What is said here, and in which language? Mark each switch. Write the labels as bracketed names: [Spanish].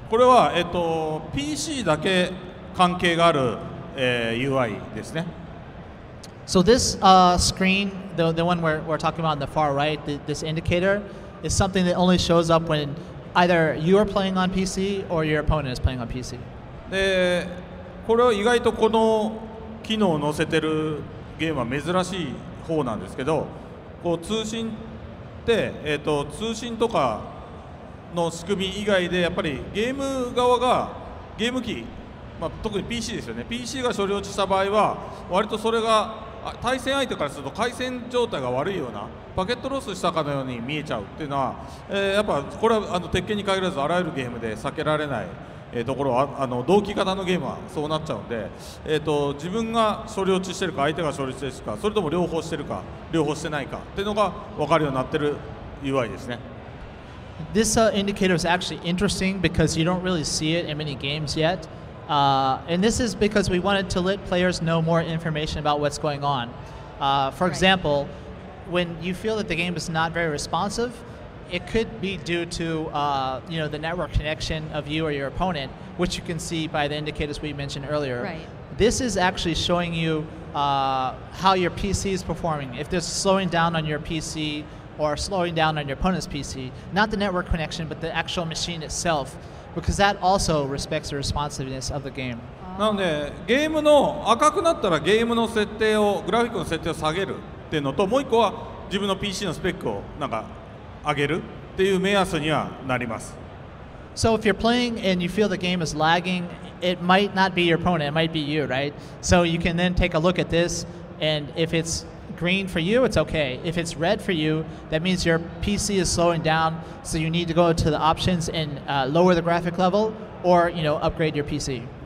[Japanese] これは、PC だけ関係がある、UI ですね。 [English] So this screen, the one we're talking about on the far right, this indicator, is something that only shows up when either you are playing on PC or your opponent is playing on PC. [Japanese] でこれは意外とこの機能を載せてるゲームは珍しい方なんですけどこう通信って、通信とかの仕組み以外でやっぱりゲーム側がゲーム機、まあ、特に PC ですよね PC が処理落ちした場合は割とそれが対戦相手からすると回線状態が悪いようなパケットロスしたかのように見えちゃうっていうのは、やっぱこれは鉄拳に限らずあらゆるゲームで避けられないところは同期型のゲームはそうなっちゃうんで、自分が処理落ちしてるか相手が処理落ちしてるかそれとも両方してるか両方してないかっていうのが分かるようになってる UI ですね。 [English] This indicator is actually interesting because you don't really see it in many games yet. And this is because we wanted to let players know more information about what's going on. For example, when you feel that the game is not very responsive,It could be due to the network connection of you or your opponent, which you can see by the indicators we mentioned earlier. Right. This is actually showing you how your PC is performing. If there's slowing down on your PC or slowing down on your opponent's PC, not the network connection, but the actual machine itself, because that also respects the responsiveness of the game. [Japanese] なので、ゲームの赤くなったらゲームの設定を、グラフィックの設定を下げるっていうのと、もう一個は自分の PC のスペックをなんか上げるっていう目安にはなります。 [English] So if you're playing and you feel the game is lagging, it might not be your opponent, it might be you, right? So you can then take a look at this, and if it's green for you, it's okay. If it's red for you, that means your PC is slowing down, so you need to go to the options and lower the graphic level or upgrade your PC.